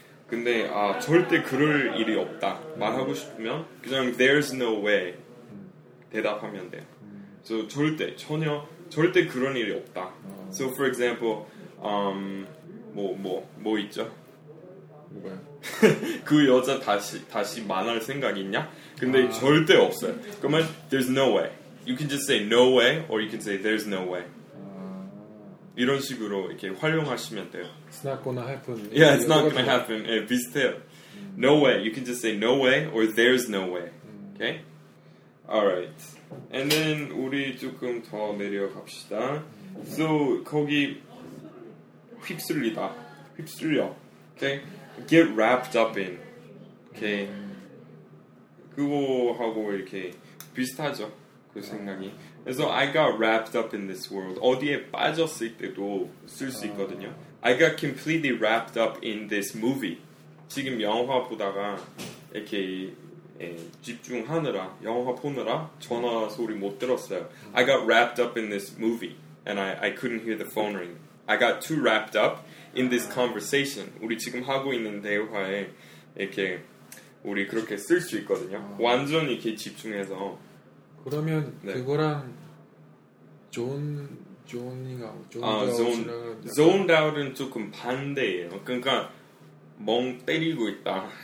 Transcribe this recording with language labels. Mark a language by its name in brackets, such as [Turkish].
[Korean] 근데 아 절대 그럴 일이 없다. 말하고 싶으면 그냥 [English] there's no way [Korean] 대답하면 돼요. So 절대 전혀 절대 그런 일이 없다. [English] So for example, [Korean] 뭐 있죠? 뭐야? 그 여자 다시 만날 생각 있냐? 근데 아. 절대 없어요. 그러면 [English] there's no way. You can just say no way or you can say there's no way. [Korean] 이런 식으로 이렇게 활용하시면 돼요. [English] It's not gonna happen. Yeah, it's not gonna happen. [Korean] 예, 비슷해요. [English] No way. You can just say no way or there's no way. Okay? Alright. And then [Korean] 우리 조금 더 내려갑시다. So 거기 휩쓸리다. 휩쓸려. Okay? [English] Get wrapped up in. Okay? [Korean] 그거하고 이렇게 비슷하죠? 그 생각이. [English] So I got wrapped up in this world. [Korean] 어디에 빠졌을 때도 쓸 수 있거든요. [English] I got completely wrapped up in this movie. [Korean] 지금 영화 보다가 이렇게 에, 집중하느라 영화 보느라 전화 소리 못 들었어요. [English] I got wrapped up in this movie and I couldn't hear the phone ring. I got too wrapped up in this conversation. [Korean] 우리 지금 하고 있는 대화에 이렇게 우리 그렇게 쓸 수 있거든요. 완전 이렇게 집중해서. 그러면 네. 그거랑 존이가 zoned out은 조금 반대예요. 그러니까 멍 때리고 있다.